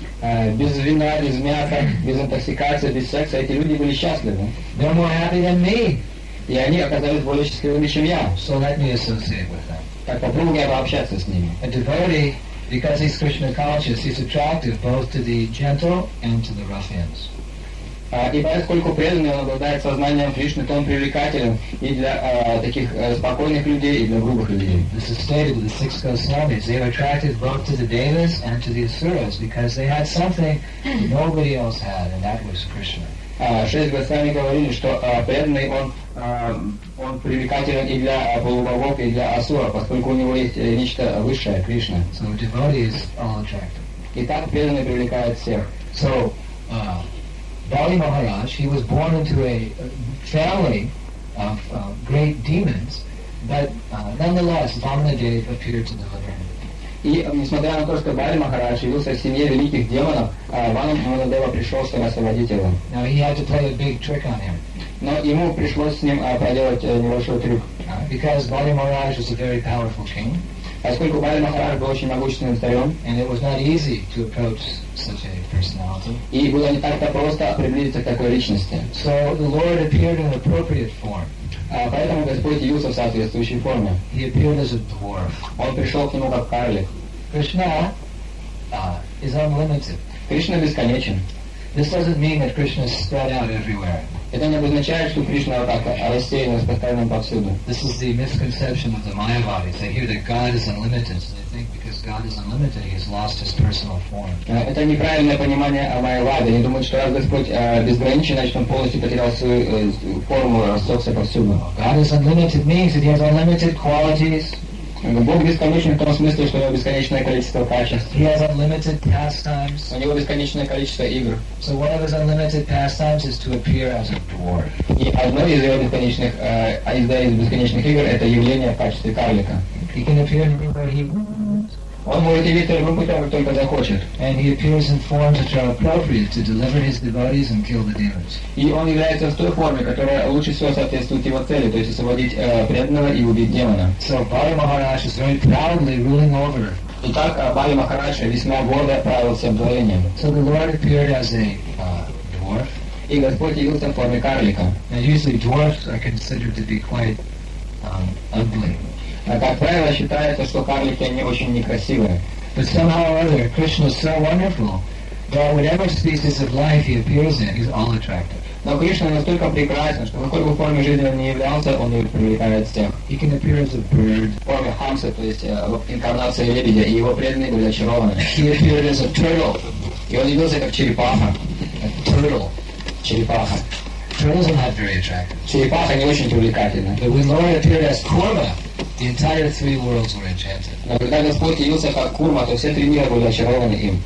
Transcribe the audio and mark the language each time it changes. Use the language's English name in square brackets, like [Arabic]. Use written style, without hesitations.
[Russian] Без вина, без мяса, без интоксикации, без секса, эти люди были счастливы. [English] They're more happy than me. [Russian] И они оказались более счастливыми, чем я. [English] So let me associate with them. [Russian] Так попробуй пообщаться с ними. [English] A devotee, because he's Krishna conscious, he's attractive both to the gentle and to the ruffians. [Russian] И поскольку преданный, он обладает сознанием Кришны, то он привлекателен и для таких спокойных людей, и для грубых людей. [English] This is stated in the six Goswamis. They were attracted both to the Devas and to the Asuras because they had something nobody else had, and that was Krishna. [Russian] Шесть Госвами говорили, что преданный, он привлекателен и для полубогов, и для Асура, поскольку у него есть нечто высшее, Кришна. [English] So the devotee is all attractive. [Russian] И так преданный привлекает всех. [English] So, Bali Maharaj, he was born into a family of great demons, but nonetheless, Vamanadeva appeared to deliver him. [Russian] И несмотря на то, что Бали Махарадж явился в семье великих демонов, Вамана пришел, чтобы освободить его. [English] Now he had to play a big trick on him. [Russian] Но ему пришлось с ним проделать небольшой трюк. [English] Because Bali Maharaj was a very powerful king. [Russian] Поскольку Бали Махарадж был очень могущественным царем, [English] and it was not easy to approach such a personality. [Russian] И было не так-то просто приблизиться к такой личности. [English] So the Lord appeared in an appropriate form. [Russian] Поэтому Господь явился в соответствующей форме. [English] He appeared as a dwarf. [Russian] Он пришел к нему как карлик. [English] Krishna is unlimited. [Russian] Кришна бесконечен. [English] This doesn't mean that Krishna is spread out everywhere. [Russian] Это не обозначает, что Кришна так рассеян, распространен повсюду. [English] This is the misconception of the Mayavadis. They hear that God is unlimited, so they think because God is unlimited, he has lost his personal form. [Russian] Это неправильное понимание о Майаваде. Они думают, что раз Господь безграничен, значит он полностью потерял свою форму, рассохся повсюду. [English] God is unlimited means that he has unlimited qualities. [Russian] Бог бесконечен в том смысле, что у него бесконечное количество качеств. [English] He has unlimited pastimes. [Russian] У него бесконечное количество игр. [English] So one of his unlimited pastimes is to appear as a dwarf. [Russian] И одно из его бесконечных, из бесконечных игр — это явление в качестве карлика. [English] He can appear anywhere he wants. [Russian] Он может явиться любым путем, как только захочет. [English] And he appears in forms which are appropriate to deliver his devotees and kill the demons. [Russian] И он является в той форме, которая лучше всего соответствует его цели, то есть освободить преданного и убить демона. [English] So Bali Maharaj is very proudly ruling over. [Russian] Итак, Бали Махараджа весьма гордо правил всем творением. [English] So the Lord appeared as a dwarf. [Russian] И Господь явился в форме карлика. [English] And usually dwarfs are considered to be quite ugly. [Russian] А как правило считается, что карлики они очень некрасивые. [English] But somehow or other, Krishna is so wonderful that whatever species of life he appears in, he's all attractive. [Russian] Но Кришна настолько прекрасен, что в какой бы форме жизни он ни являлся, он его привлекает всех. [English] He can appear as a bird. [Russian] В форме хамса, то есть инкарнация лебедя, и его преданные были очарованы. [English] He appeared as a turtle. [Russian] И он явился как черепаха. [English] A turtle. [Russian] Черепаха. [English] Turtles are not very attractive. [Russian] Черепаха не очень привлекательна. [English] But when Lord appeared as Kurma, the entire three worlds were enchanted. [Russian] Но когда Господь явился как Курма, то все три мира были очарованы им.